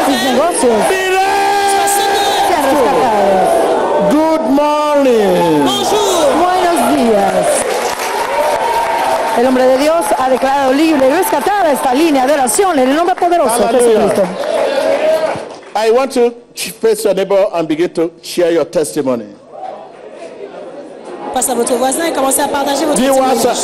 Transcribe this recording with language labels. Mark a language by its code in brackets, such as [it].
[es] Mis negocios. [en] Be rescued. Good morning. [fr] Bonjour. [es] Buenos días. El hombre de Dios ha declarado libre y rescatada esta línea de oración en el nombre poderoso de Cristo. [en] I want to face your neighbor and begin to share your testimony. [fr] Passe à votre voisin et commencez à partager votre testimony.